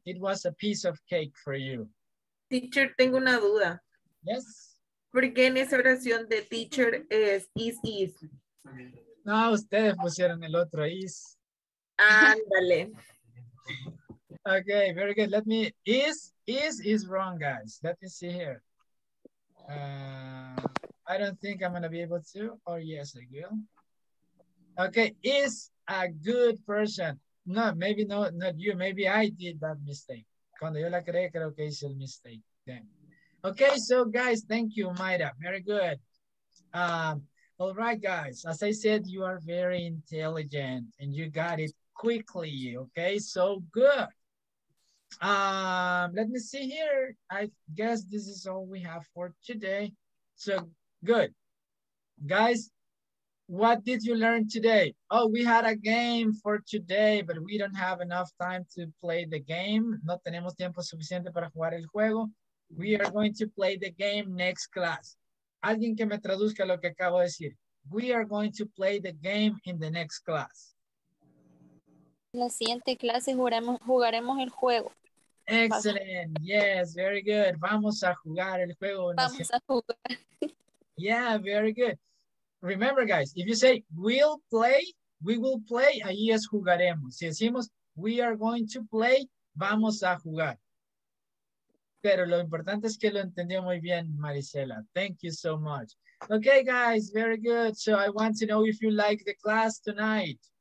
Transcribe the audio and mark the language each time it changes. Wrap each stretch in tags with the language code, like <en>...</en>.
<en>It was a piece of cake for you.</en> <es>Teacher, tengo una duda.</es> <en>Yes.</en> <es>¿Por qué en esa oración de teacher is? No, ustedes pusieron el otro is. Ándale.</es> <en>Okay, very good. Let me, is wrong, guys. Let me see here. I don't think I'm going to be able to, or yes, I will. Okay, is a good person. No, maybe no, not you. Maybe I did that mistake.</en> <es>Cuando yo la creé, creo que hice el</es> <en>mistake. Then. Okay, so guys, thank you, Mayra. Very good. All right, guys. As I said, you are very intelligent and you got it quickly. Okay, so good. Let me see here. I guess this is all we have for today. So good. Guys, what did you learn today? Oh, we had a game for today, but we don't have enough time to play the game.</en> <es>No tenemos tiempo suficiente para jugar el juego.</es> <en>We are going to play the game next class.</en> <es>Alguien que me traduzca lo que acabo de decir.</es> <en>We are going to play the game in the next class.</en> <es>La siguiente clase jugaremos el juego.</es> <en>Excellent. Yes, very good.</en> <es>Vamos a jugar el juego. Vamos a jugar.</es> <en>Yeah, very good. Remember, guys, if you say we'll play, we will play,</en> <es>ahí es jugaremos. Si decimos</es> <en>we are going to play,</en> <es>vamos a jugar. Pero lo importante es que lo entendió muy bien, Marisela.</es> <en>Thank you so much. Okay, guys, very good. So I want to know if you like the class tonight.</en>